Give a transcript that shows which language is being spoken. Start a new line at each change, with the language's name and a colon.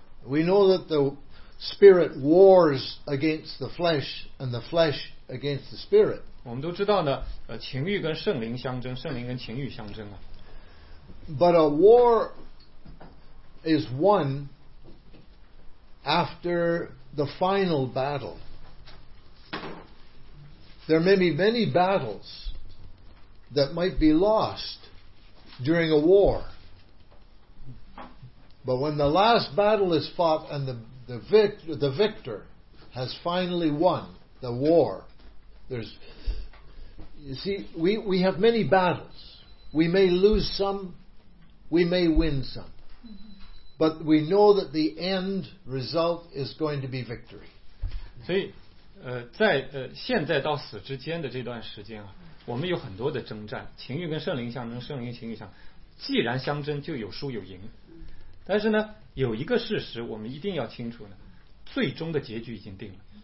English: We know that the spirit wars against the flesh and the flesh against the spirit.
Chinese: 我们都知道呢，情欲跟圣灵相争，圣灵跟情欲相争啊。
English: But a war is won after the final battle. There may be many battles that might be lost during a war. But when the last battle is fought and the victor has finally won the war, there's, You see, we have many battles. We may lose some, we may win some. But we know that the end result is going to be victory.
Chinese: 所以，在现在到死之间的这段时间啊，我们有很多的征战，情欲跟圣灵相争，圣灵情欲相，既然相争，就有输有赢。但是呢，有一个事实我们一定要清楚呢，最终的结局已经定了。